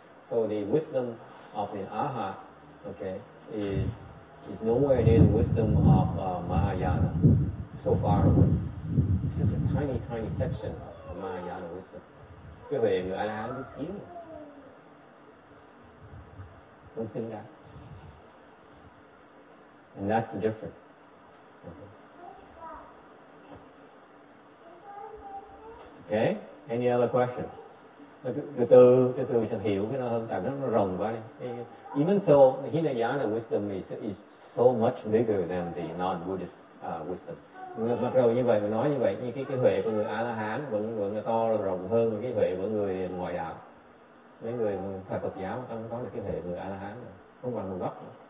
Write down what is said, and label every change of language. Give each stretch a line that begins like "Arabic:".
English: So the wisdom of the Arhat, okay, is nowhere near the wisdom of Mahayana. So far away, such a tiny, tiny section of Mahayana wisdom.
Vietnamese: Cái huệ người A La Hán chút xíu, không xứng đáng.
English: And that's the difference.
Vietnamese: Okay.
English: Any other questions?
Vietnamese: Từ mình hiểu cái nó hơn, tại nó rộng quá.
English: Even so, Hinayana wisdom is so much bigger than the non-Buddhist wisdom.
Vietnamese: Mặc dù như vậy, mình nói như vậy, nhưng cái huệ của người A-la-hán vẫn to rộng hơn cái huệ của người ngoại đạo. Mấy người Phật giáo không có được cái huệ của người A-la-hán, không bằng một góc.